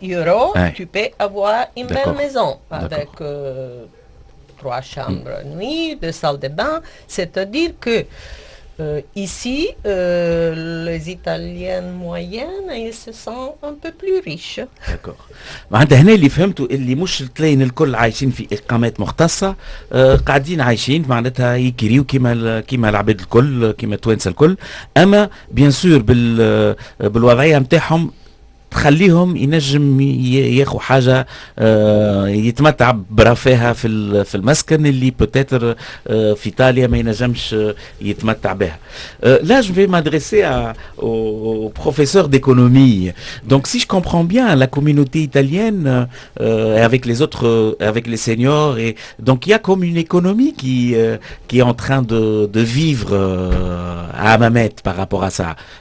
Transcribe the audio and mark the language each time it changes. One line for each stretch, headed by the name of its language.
French: euros, ouais, tu peux avoir une belle maison avec trois chambres nuit, deux salles de bain. C'est-à-dire que ici, les Italiennes moyennes, ils se sentent un peu plus riches. D'accord.
Arabic: معناتها هنا اللي فهمتوا اللي مش تلاقين الكل عايشين في اقامات مختصه قاعدين عايشين معناتها يكريو كيما العباد الكل كيما التوانسه الكل اما
French: بيان سور
Arabic: بالوضعيه نتاعهم تخليهم ينجم ياخو حاجه يتمتع برفاهه في المسكن اللي بوتيتر في ايطاليا ما ينجمش يتمتع بها.
French: Là, je vais m'adresser au professeur d'économie. Donc, si je comprends bien, la communauté italienne, avec les autres, avec les seniors, et donc il y a comme une économie qui est en train de vivre à Hammamet par rapport à ça.